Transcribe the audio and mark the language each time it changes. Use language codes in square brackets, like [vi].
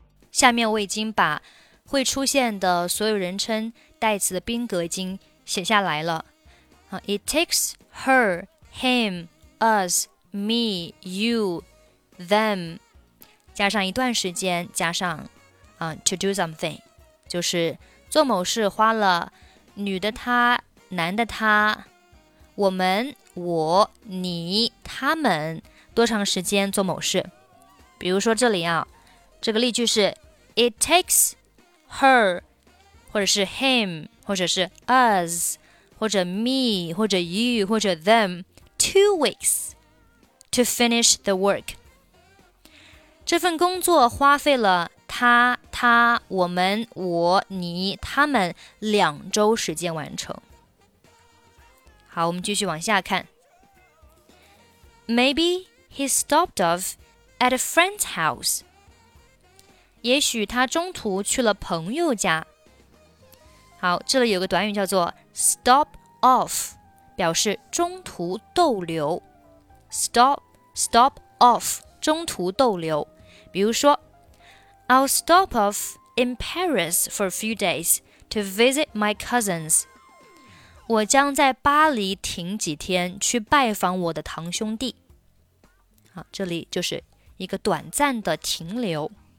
[zh] 下面我已经把会出现的所有人称代词的宾格已经写下来了、 [en] It takes her, himUs, me, you, them， [zh] 加上一段时间，加上、 [en] to do something， [zh] 就是做某事花了女的她、男的他、我们、我、你、他们多长时间做某事。比如说这里啊，这个例句是 [en] It takes her， [zh] 或者是 him， 或者是 us， 或者 me， 或者 you， 或者 them。 [en] 2 weeks to finish the work. [zh] 这份工作花费了他、我们、我、你、他们2周时间完成。好，我们继续往下看。 [en] Maybe he stopped off at a friend's house. [zh] 也许他中途去了朋友家。好，这里有个短语叫做 stop off。表示中途逗留 stop off 中途逗留。比如说 [en] I'll stop off in Paris for a few days to visit my cousins， [zh] 我将在巴黎停几天去拜访我的堂兄弟。好，这里就是一个短暂的停留。